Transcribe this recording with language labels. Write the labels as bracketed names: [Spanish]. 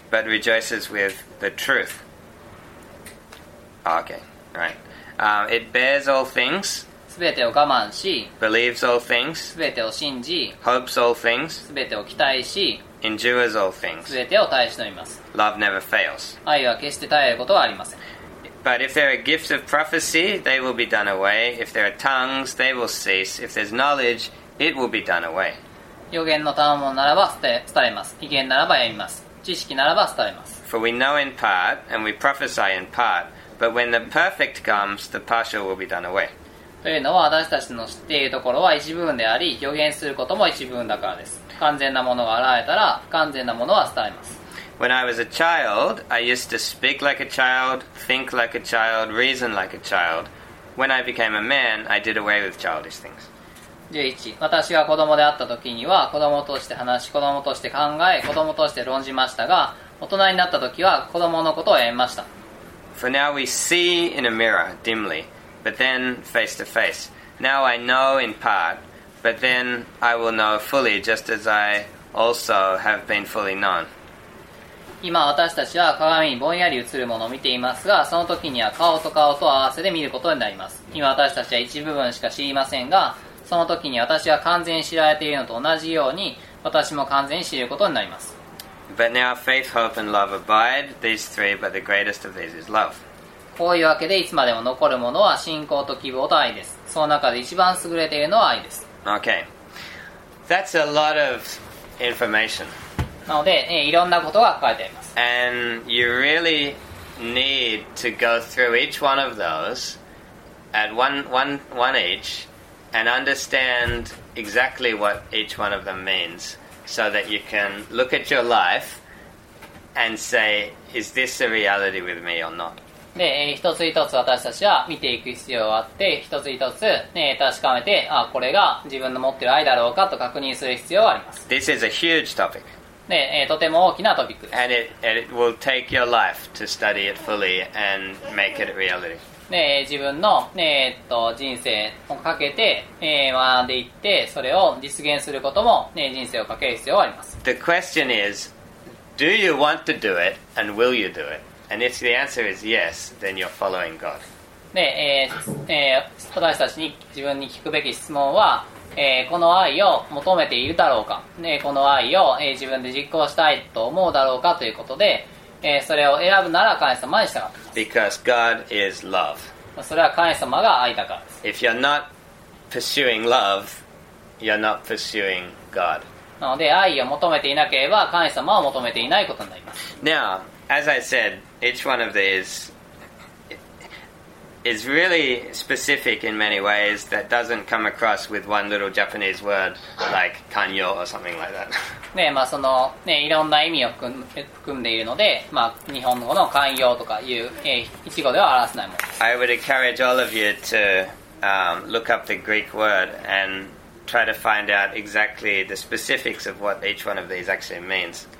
[English] But rejoices with the truth. Okay, right. It bears all things. [Japanese] すべてを我慢し。 [English] Believes all things. [Japanese] すべてを信じ。 [English] Hopes all things. [Japanese] すべてを期待し。 [English] Endures all things. [Japanese] すべてを耐え忍びます。 [English] Love never fails. [Japanese] 愛は決して絶えることはありません。 [English] But if there are gifts of prophecy, they will be done away. If there are tongues, they will cease. If there's knowledge, it will be done away. [Japanese] 預言の賜物ならば廃れます。異言ならばやみます。知識ならば廃れます。 [English] For we know in part, and we prophesy in part, but when the perfect comes, the partial will be done away. [Japanese] というのは私たちの知っているところは一部分であり、預言することも一部分だからです。完全なものが現れたら、不完全なものは廃れます。 [English] When I was a child, I used to speak like a child, think like a child, reason like a child. When I became a man, I did away with childish things. 11. [Japanese] 私が子供であった時には、子供として話し、子供として考え、子供として論じましたが、大人になった時は子供のことをやめました。 [English] For now we see in a mirror, dimly, but then face to face. Now I know in part, but then I will know fully, just as I also have been fully known. [Japanese] 今私たちは鏡にぼんやり映るものを見ていますが、その時には顔と顔と合わせで見ることになります。今私たちは一部分しか知りませんが、その時に私は完全に知られているのと同じように、私も完全に知ることになります。 [English] But now faith, hope, and love abide, these three, but the greatest of these is love. [Japanese] こういうわけで、いつまでも残るものは信仰と希望と愛です。その中で一番優れているのは愛です。 [English] Okay, that's a lot of information [Japanese] なので、いろんなことが書かれています。 [English] And you really need to go through each one of those at one each and understand exactly what each one of them means so that you can look at your life and say, is this a reality with me or not? [Japanese] で、一つ一つ私たちは見ていく必要があって、一つ一つ、確かめて、あ、これが自分の持っている愛だろうかと確認する必要があります。 [English] This is a huge topic. [Japanese] で、とても大きなトピックです。 [English] And it will take your life to study it fully and make it a reality. [Japanese] で、自分の、人生をかけて、学んでいって、それを実現することも、人生をかける必要があります。 [English] The question is, do you want to do it and will you do it? And if the answer is yes, then you're following God. [Japanese] で、私たちに自分に聞くべき質問は、この愛を求めているだろうか、この愛を、自分で実行したいと思うだろうかということで、それを選ぶなら神様に従う。 [English] Because God is love. [Japanese] それは神様が愛だからです。 [English] If you're not pursuing love, you're not pursuing God. [Japanese] なので愛を求めていなければ神様を求めていないことになります。 [English] Now, as I said, each one of these is really specific in many ways that doesn't come across with one little Japanese word like kanyo or something like that. [Japanese] ね、まあそのね、いろんな意味を含んでいるので、まあ日本語の寛容とかいう、一語では表せないもの。 [English] I would encourage all of you to、look up the Greek word and try to find out exactly the specifics of what each one of these actually means.